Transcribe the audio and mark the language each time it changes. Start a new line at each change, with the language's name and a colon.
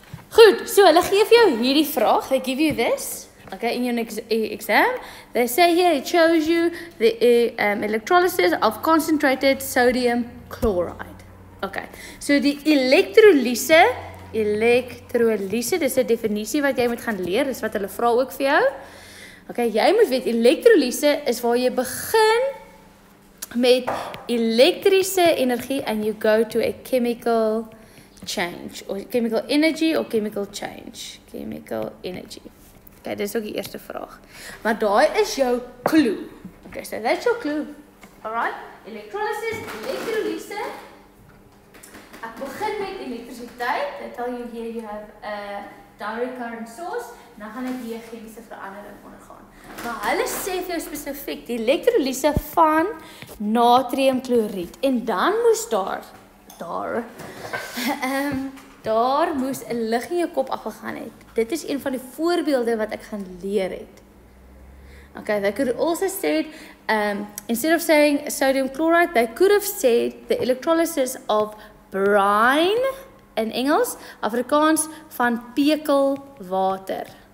Afrikaans: So, hulle gee vir jou hierdie vraag.
English: They give you this. Okay, in your exam, they say here it shows you the electrolysis of concentrated sodium chloride. Okay.
Afrikaans: So die elektrolise, dis 'n definisie wat jy moet gaan leer, dis wat hulle vra ook vir jou.
English: Okay,
Afrikaans: jy moet weet elektrolise is waar jy begin met elektriese energie
English: and you go to a chemical change or chemical energy or chemical change chemical energy.
Afrikaans: Okay, dis ook die eerste vraag. Maar daai is jou clue.
English: Okay, so that's your clue. All right? Electrolysis, electrolyse.
Afrikaans: Ek begin met elektrisiteit.
English: I tell you here you have a direct current source,
Afrikaans: dan gaan dit weer chemiese verandering ondergaan. Maar hulle sê vir jou spesifiek die elektrolyse van natriumkloried en dan moes daar moes 'n lig in jou kop afgegaan het. Dit is een van die voorbeelde wat ek gaan leer het.
English: Okay, they could also said instead of saying sodium chloride, they could have said the electrolysis of brine
Afrikaans: in Engels, Afrikaans van pekelwater.